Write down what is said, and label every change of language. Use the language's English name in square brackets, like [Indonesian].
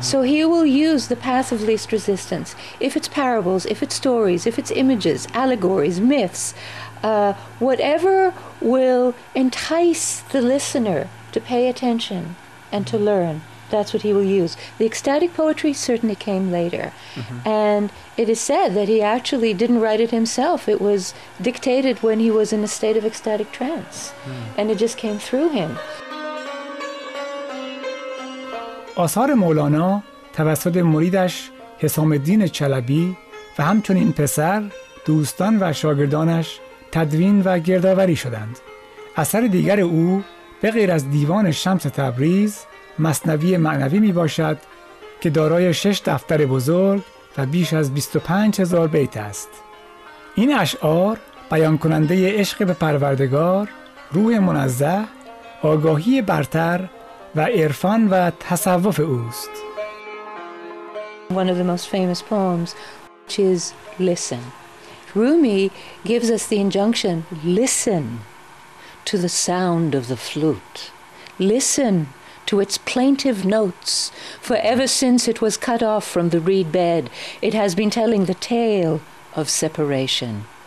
[English] So he will use the path of least resistance. If it's parables, if it's stories, if it's images, allegories, myths, whatever will entice the listener to pay attention and to learn, that's what he will use. The ecstatic poetry certainly came later. Mm-hmm. And it is said that he actually didn't write it himself. It was dictated when he was in a state of ecstatic trance. Mm-hmm. And it just came through him. [Persian] آثار مولانا توسط مریدش حسام الدین چلبی و همچنین پسر، دوستان و شاگردانش تدوین و گردآوری شدند. اثر دیگر او به غیر از دیوان شمس تبریز مثنوی معنوی می باشد که دارای 6 دفتر بزرگ و بیش از 25,000 بیت است. این اشعار بیان کننده عشق به پروردگار، روح منزه، آگاهی برتر و عرفان و تصوف اوست. [English] One of the most famous poems, which is Listen. Rumi gives us the injunction, listen to the sound of the flute. Listen to its plaintive notes, for ever since it was cut off from the reed bed, it has been telling the tale of separation.